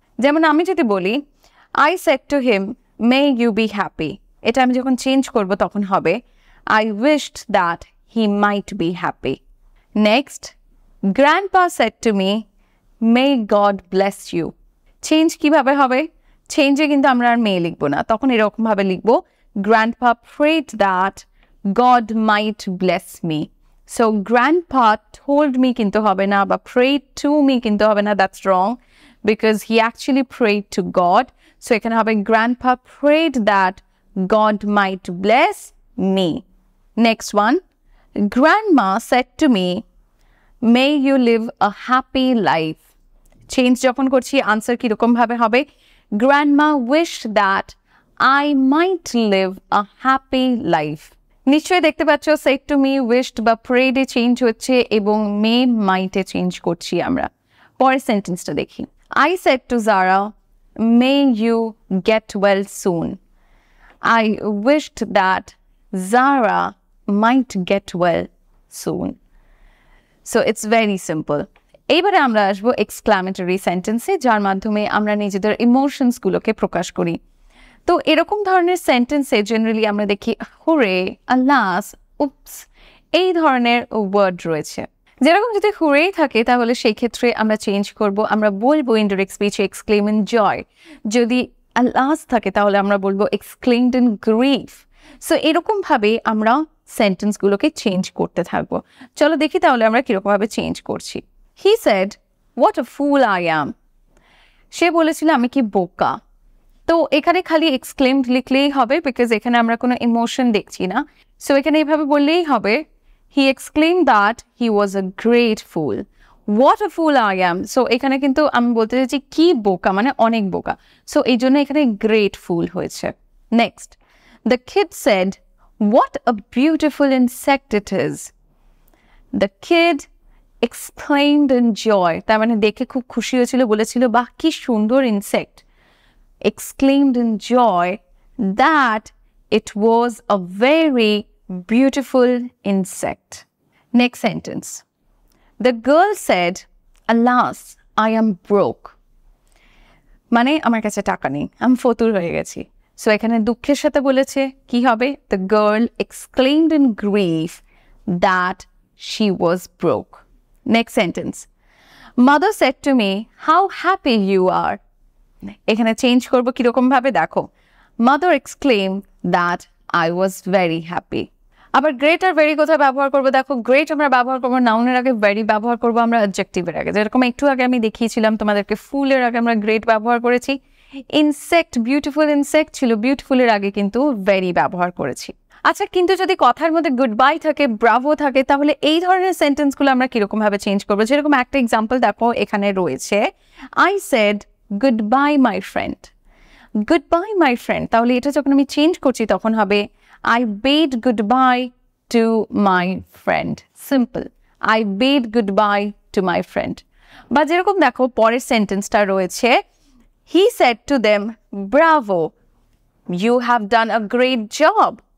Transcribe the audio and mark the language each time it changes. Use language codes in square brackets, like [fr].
[bn] যেমন আমি যদি বলি, [en] I said to him, may you be happy, [bn] এটা আমি যখন চেঞ্জ করব তখন হবে, [en] I wished that he might be happy. Next, grandpa said to me, may God bless you. [bn] Change কীভাবে হবে? চেঞ্জে কিন্তু আমরা আর মে লিখবো না, তখন এরকমভাবে লিখবো, [en] Grandpa prayed that God might bless me. So grandpa told me [bn] kintu hobe na, [en] but prayed to me kintu hobe na, that's wrong, because he actually prayed to God. So [bn] ekhane hobe, [en] grandpa prayed that God might bless me. Next one, grandma said to me, may you live a happy life. Change [bn] jokhon korchi, answer ki rokom bhabe hobe, [en] grandma wished that I might live a happy life. [bn] নিশ্চয়ই দেখতে পাচ্ছ, said to me, wished বা prayed এ change হচ্ছে এবং মে মাইট এ change করছি আমরা। পরের সেন্টেন্সটা দেখি, [en] I said to Zara, may you get well soon. I wished that Zara might get well soon. So it's very simple. [bn] এইবারে আমরা আসবো এক্সক্লামেটরি সেন্টেন্সে, যার মাধ্যমে আমরা নিজেদের ইমোশনসগুলোকে প্রকাশ করি। তো এরকম ধরনের সেন্টেন্সে জেনারেলি আমরা দেখি, হুরে, আলাস, উপস, এই ধরনের ওয়ার্ড রয়েছে। যেরকম যদি হুরেই থাকে, তাহলে সেই ক্ষেত্রে আমরা চেঞ্জ করব, আমরা বলবো ইনডাইরেক্ট স্পিচে এক্সক্লেম ইন জয়। যদি আলাস থাকে, তাহলে আমরা বলবো এক্সক্লেম ইন গ্রিফ। সো এরকমভাবে আমরা সেন্টেন্সগুলোকে চেঞ্জ করতে থাকবো। চলো দেখি তাহলে আমরা কীরকমভাবে চেঞ্জ করছি। [en] He said, what a fool I am. [bn] সে বলেছিল, আমি কি বোকা। তো এখানে খালি এক্সক্লেমড লিখলেই হবে, বিকজ এখানে আমরা কোনো ইমোশন দেখছি না। [en] So এখানে এভাবে বললেই হবে, he exclaimed that he was a great fool. What a fool I am. [bn] So, এখানে কিন্তু আমি বলতে চাইছি কি বোকা মানে অনেক বোকা. So, এই জন্য এখানে great fool হয়েছে. [en] Next, the kid said, What a beautiful insect it is. The kid exclaimed in joy. [bn] তার মানে দেখে খুব খুশি হয়েছিল বলেছিল বাহ কি সুন্দর insect. [en] Exclaimed in joy that it was a very beautiful insect. Next sentence. The girl said, Alas, I am broke. [bn] মানে আমার কাছে টাকা নেই, আমি ফতুর হয়ে গেছি. সো এখানে দুঃখের সাথে বলেছে কি হবে, [en] The girl exclaimed in grief that she was broke. Next sentence, mother said to me, how happy you are. [bn] এখানে চেঞ্জ করবো কীরকমভাবে দেখো, [en] Mother exclaim that I was very happy. [bn] আবার গ্রেট আর ভেরি কোথায় ব্যবহার করবো দেখো, গ্রেট আমরা ব্যবহার করবো নাউনের আগে, ভেরি ব্যবহার করবো আমরা অ্যাডজেক্টিভের আগে. যেরকম একটু আগে আমি দেখিয়েছিলাম তোমাদেরকে, ফুলের আগে আমরা গ্রেট ব্যবহার করেছি, ইনসেক্ট বিউটিফুল ইনসেক্ট ছিল বিউটিফুলের আগে কিন্তু ভেরি ব্যবহার করেছি. আচ্ছা, কিন্তু যদি কথার মধ্যে গুড বাই থাকে, ব্রাভো থাকে, তাহলে এই ধরনের সেন্টেন্সগুলো আমরা কীরকমভাবে চেঞ্জ করবো? যেরকম একটা এক্সাম্পল দেখো এখানে রয়েছে, [en] I said goodbye my friend. Goodbye my friend, [bn] তাহলে এটা যখন আমি চেঞ্জ করছি তখন হবে [en] I bade goodbye to my friend. Simple. I bade goodbye to my friend. [bn] বা যেরকম দেখো পরের সেন্টেন্সটা রয়েছে, [en] He said to them, Bravo, you have done a great job.